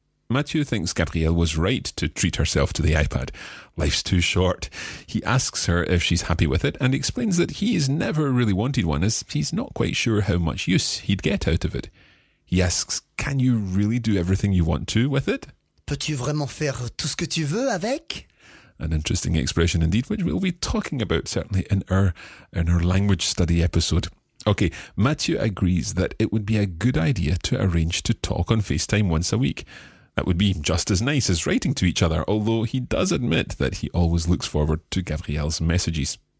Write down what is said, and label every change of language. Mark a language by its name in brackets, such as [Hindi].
[English] Mathieu thinks Gabrielle was right to treat herself to the iPad. Life's too short. He asks her if she's happy with it and explains that he's never really wanted one as he's not quite sure how much use he'd get out of it. He asks, can you really do everything you want to with it? [French] Peux-tu vraiment faire tout ce que tu veux avec? [English] An interesting expression indeed, which we'll be talking about certainly in our language study episode. Okay, Mathieu agrees that it would be a good idea to arrange to talk on FaceTime once a week. That would be just as nice as writing to each other, although he does admit that he always looks forward to Gabrielle's messages.